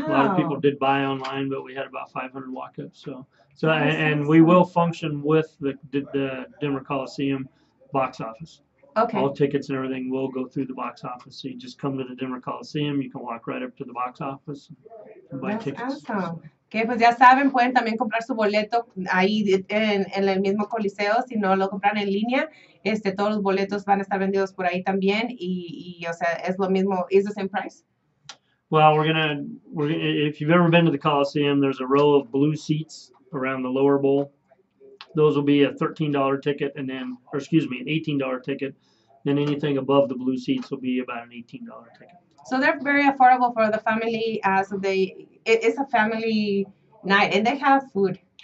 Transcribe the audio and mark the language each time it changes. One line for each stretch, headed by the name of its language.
English: A lot of people did buy online, but we had about 500 walk-ups. So and we will function with the Denver Coliseum box office. Okay. All tickets and everything will go through the box office. So you just come to the Denver Coliseum. You can walk right up to the box office and buy tickets. That's awesome.
Spanish: Que pues ya saben, pueden también comprar su boleto ahí en el mismo Coliseo, si no lo compran en línea, todos los boletos van a estar vendidos por ahí también, y o sea, es lo mismo,
English: is the same price? Well, if you've ever been to the Coliseum, there's a row of blue seats around the lower bowl. Those will be a $13 ticket, an $18 ticket, then anything above the blue seats will be about an $18 ticket. So they're very affordable for the family, as it's a family night, and they have food.